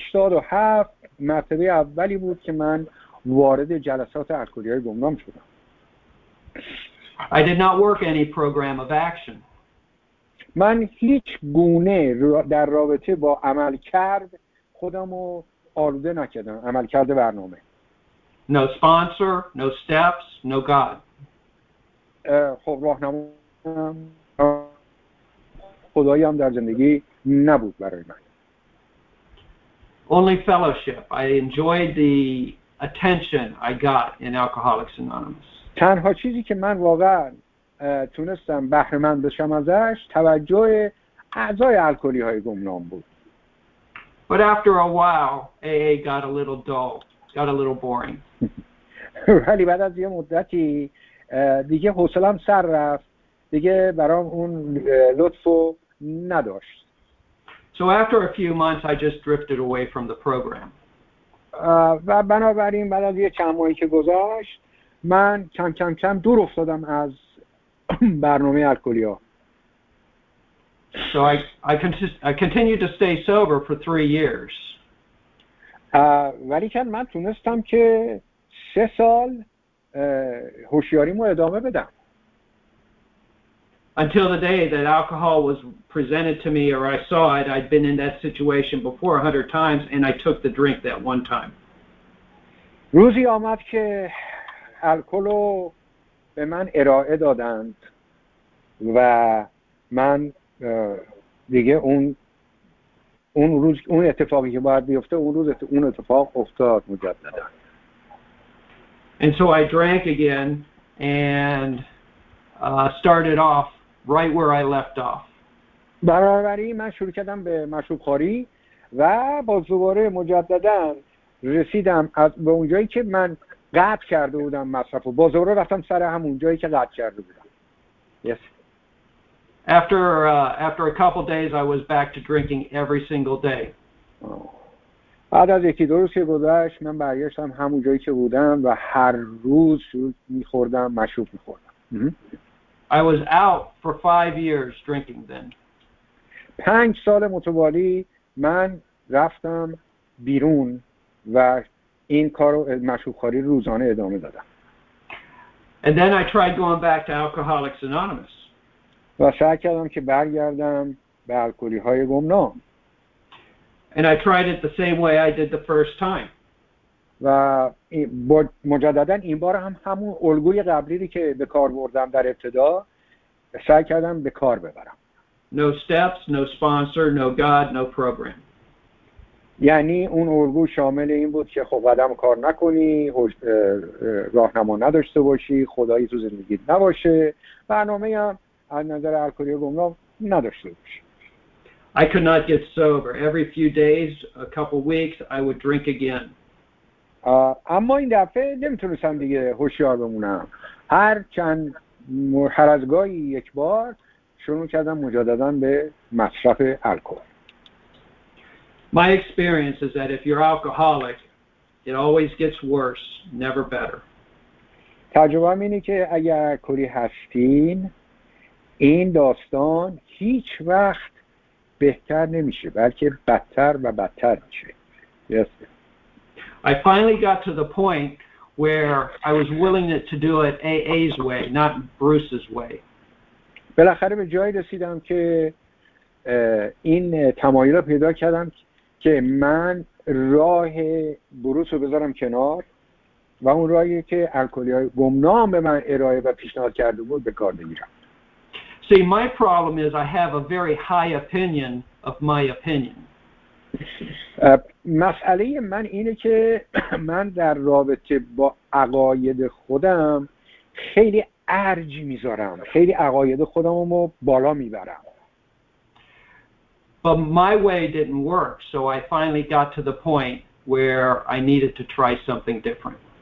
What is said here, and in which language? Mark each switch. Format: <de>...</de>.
<fa>1987 مرتبه اولی بود که من وارد جلسات الکلی‌های گمنام شدم.</fa> <en>I did not work any program of action.</en> <fa>من هیچ گونه در رابطه با عمل کرد خودم رو آلوده نکردم، عمل کرده برنامه.</fa> <en>No sponsor, no steps, no God.</en> <fa>خب راهنمایم خدایی هم در زندگی نبود برای من.</fa> <en>Only fellowship. I enjoyed the attention I got in Alcoholics Anonymous.</en> <fa>تنها چیزی که من واقعا تونستم بهره‌مند بشم ازش توجه اعضای الکلی‌های گمنام بود.</fa> <en>But after a while, AA got a little dull. Got a little boring.</en> <fa>ولی بعد از یه مدتی دیگه حوصله‌ام سر رفت، دیگه برام اون لطف رو نداشت.</fa> <en>So after a few months I just drifted away from the program.</en> <fa>و بنابراین بعد از یه چند ماهی که گذشت من کم کم کم دور افتادم از برنامه الکلی ها.</fa> <en>So I continued to stay sober for 3 years.</en> <fa>ولی که من تونستم که 3 سال هوشیاریمو ادامه بدم.</fa> <en>Until the day that alcohol was presented to me or I saw it, I'd been in that situation before 100 times and I took the drink that one time.</en> <fa>روزی آمد که الکلو به من ارائه دادند و من دیگه اون روز اون اتفاقی که باید بیفته اون روز اون اتفاق افتاد مجددا.</fa> <en>And so I drank again and started off right where I left off.</en> <fa>بنابراین من شروع کردم به مشروب خوری و باز دوباره مجددا رسیدم به اون جایی که من قطع کرده بودم مصرف و باز دوباره رفتم سر همون جایی که قطع کرده بودم.</fa> <en>Yes. After a couple days, I was back to drinking every single day.</en> <fa>بعد از یکی دو روز که گذشت من برگشتم همون جایی که بودم و هر روز می‌خوردم، مشروب می‌خوردم.</fa> <en>I was out for 5 years drinking then.</en> <fa>5 سال متوالی من رفتم بیرون و این کارو مشروب‌خوری روزانه ادامه دادم.</fa> <en>And then I tried going back to Alcoholics Anonymous.</en> <fa>و سعی کردم که برگردم به الکلی‌های گمنام.</fa> <en>And I tried it the same way I did the first time.</en> <fa>و مجدداً این بار هم همون الگوی قبلی رو که به کار بردم در ابتدا سعی کردم به کار ببرم.</fa> <en>No steps, no sponsor, no God, no program.</en> <fa>یعنی اون الگو شامل این بود که خب آدم کار نکنی، راهنما نداشته باشی، خدایی تو زندگیت نباشه، برنامه‌ای هم از نظر الکلی گمنام نداشته باشه.</fa> <en>I could not get sober. Every few days, a couple weeks, I would drink again.</en> <fa>اما این دفعه نمیتونستم دیگه هوشیار بمونم. هر چند هر از گاهی یک بار شروع کردم مجددا به مصرف الکل.</fa> <en>My experience is that if you're alcoholic, it always gets worse, never better.</en> <fa>تجربه اینه که اگر الکلی هستین این داستان هیچ وقت بهتر نمیشه بلکه بدتر و بدتر میشه.</fa> <en>Yes. I finally got to the point where I was willing to do it AA's way, not Bruce's way.</en> <fa>بالاخره به جایی رسیدم که این تمایل رو پیدا کردم که من راه بروس رو بذارم کنار و اون راهی که الکلی‌های گمنام به من ارائه و پیشنهاد کرده بود به کار بگیرم.</fa> <en>See, my problem is I have a very high opinion of my opinion.</en> <fa>مسئله من اینه که من در رابطه با عقاید خودم خیلی ارج میذارم، خیلی عقاید خودمو بالا میبرم.</fa> <en>But my way didn't work, so I finally got to the point where I needed to try something different.</en>